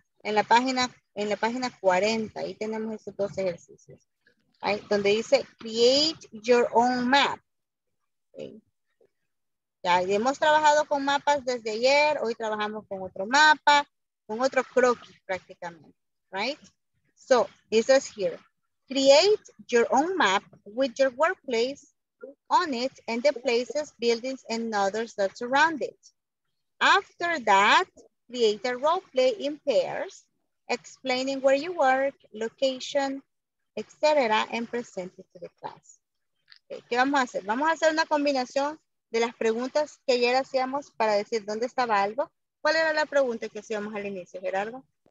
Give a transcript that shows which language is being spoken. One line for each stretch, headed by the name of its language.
Spanish: En la página 40, ahí tenemos estos dos ejercicios.
English: Right?
Spanish: Donde dice,
English: create your own map. Okay?
Spanish: Ya hemos trabajado con mapas desde ayer. Hoy trabajamos con otro mapa, con otro croquis prácticamente.
English: Right? So, this is here. Create your own map with your workplace on it and the places, buildings, and others that surround it. After that, create a role play in pairs, explaining where you work, location, etc., and present it to the class.
Spanish: Okay. ¿Qué vamos a hacer? Vamos a hacer una combinación de las preguntas que ayer hacíamos para decir dónde estaba algo. ¿Cuál era la pregunta que hacíamos al inicio, Gerardo?